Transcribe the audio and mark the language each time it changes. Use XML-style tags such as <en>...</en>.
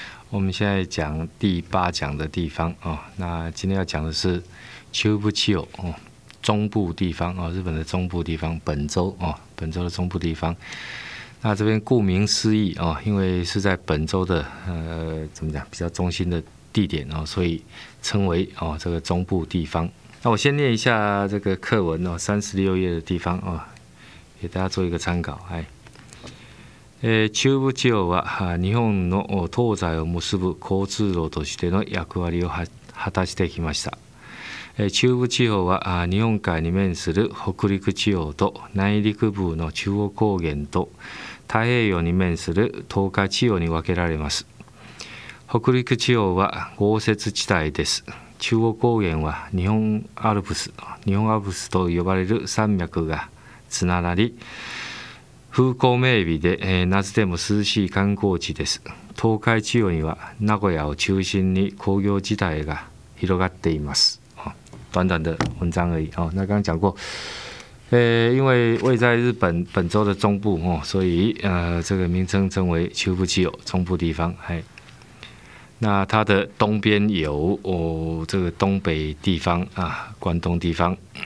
<zh>我们现在讲第八讲的地方、哦、那今天要讲的是秋不秋、哦、中部地方、哦、日本的中部地方，本州、哦、本州的中部地方。那这边顾名思义、哦、因为是在本州的怎么讲比较中心的地点、哦、所以称为、哦、这个中部地方。那我先念一下这个课文哦，36页的地方哦，给大家做一个参考。</zh> <ja>哎，中部地方は日本の東西を結ぶ交通路としての役割を果たしてきました。中部地方は日本海に面する北陸地方と内陸部の中央高原と太平洋に面する東海地方に分けられます。北陸地方は豪雪地帯です。中央高原は日本アルプスと呼ばれる山脈がつながり、風光明媚で、夏でも涼しい観光地です。東海地方には名古屋を中心に工業地帯が広がっています。</ja> <zh>短短的文章而已。哦，那刚刚讲过，因为位在日本本州的中部哦，所以这个名称称为秋不秋，中部地方。哎，那它的东边有哦，这个东北地方啊，关东地方。</zh>